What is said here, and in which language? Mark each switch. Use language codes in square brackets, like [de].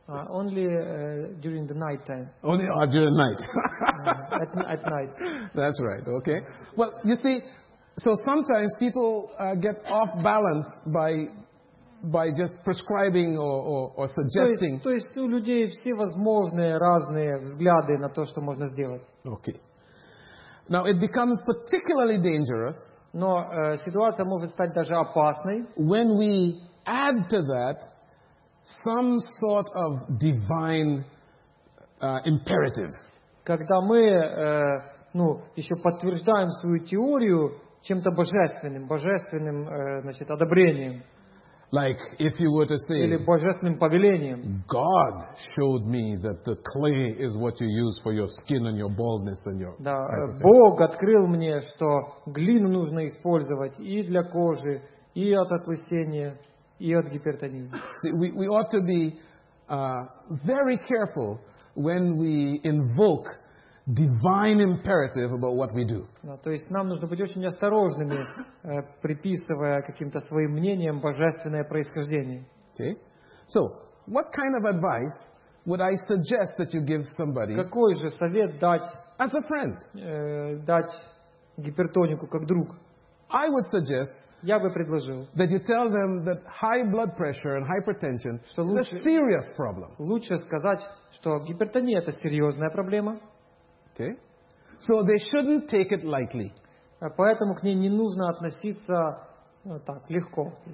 [en] Only during the night time. Only during the night. at night. That's right. Okay. Well, you see, so sometimes people get off balance by just prescribing or suggesting. [ru] То есть у людей все возможные разные взгляды на то, что можно сделать. [en] Okay. Now it becomes particularly dangerous. [ru] Но ситуация может стать даже опасной. [en] When we add to that some sort of divine imperative. [ru] Когда мы, ну, еще подтверждаем свою теорию чем-то божественным, значит, одобрением. [en] Like if you were to say, [ru] или божественным повелением. [en] God showed me that the clay is what you use for your skin and your baldness and your. [ru] Да, Бог открыл мне, что глину нужно использовать и для кожи, и от отлысения, и от гипертонии. [en] See, we ought to be very careful when we invoke divine imperative about what we do. [ru] То есть нам нужно быть очень осторожными, приписывая каким-то своим мнением божественное происхождение. [en] Okay. So, what kind of advice would I suggest that you give somebody? [ru] Какой же совет дать? [en] As a friend. [ru] Дать гипертонику как друг. [en] I would suggest. [ru] Я бы предложил. [en] That you tell them that high blood pressure and hypertension is a serious problem. [ru] Лучше сказать, что гипертония это серьезная проблема. [en] Okay. So they shouldn't take it lightly. [ru] Поэтому к ней не нужно относиться так легко.